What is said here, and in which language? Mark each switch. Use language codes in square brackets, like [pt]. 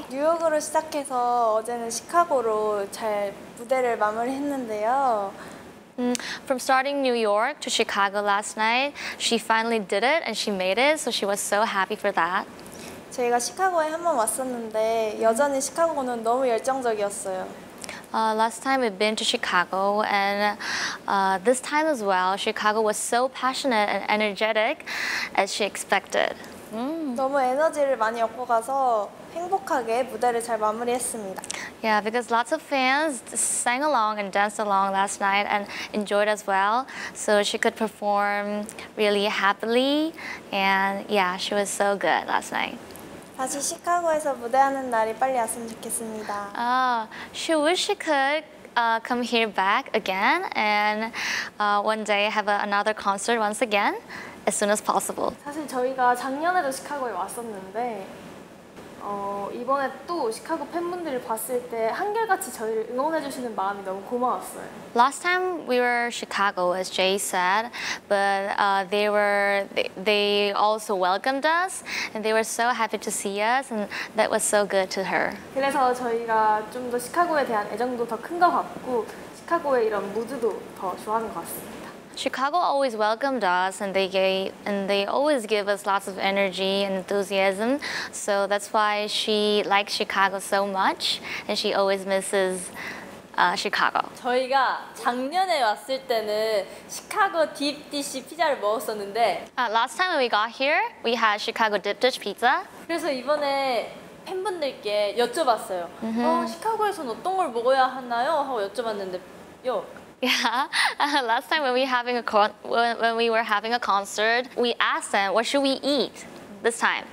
[ko] 뉴욕으로 시작해서 어제는 시카고로 잘 무대를 마무리했는데요. [en] From starting New York to Chicago last night, she finally did it and she made it, so she was so happy for that. [ko] 저희가 시카고에 한번 왔었는데 여전히 시카고는 너무 열정적이었어요. [en] Last time we've been to Chicago, and this time as well, Chicago was so passionate and energetic as she expected. [ko] 너무 에너지를 많이 얻고 가서 행복하게 무대를 잘 마무리했습니다. [en] Yeah, because lots of fans sang along and danced along last night and enjoyed as well. So she could perform really happily. And yeah, she was so good last night. [ko] 다시 시카고에서 무대하는 날이 빨리 왔으면 좋겠습니다. [en] She wish she could come here back again and one day have another concert once again. As soon as possible. [ko] 사실 저희가 작년에도 시카고에 왔었는데 이번에 또 시카고 팬분들을 봤을 때 한결같이 저희를 응원해 주시는 마음이 너무 고마웠어요. [en] Last time we were in Chicago, as Jay said, but they also welcomed us and they were so happy to see us and that was so good to her. [ko] 그래서 저희가 좀 더 시카고에 대한 애정도 더 큰 것 같고 시카고의 이런 무드도 더 좋아하는 것 같습니다. [en] Chicago always welcomed us and they always give us lots of energy and enthusiasm. So that's why she likes Chicago so much and she always misses Chicago. [ko] 저희가 작년에 왔을 때는 시카고 딥 디시 피자를 먹었었는데 [en] last time we got here, we had Chicago dip dish pizza. [ko] 그래서 이번에 팬분들께 여쭤봤어요. Mm-hmm. 시카고에선 어떤 걸 먹어야 하나요? 하고 여쭤봤는데 요 [en] Yeah, last time when we were having a concert, we asked them, what should we eat this time?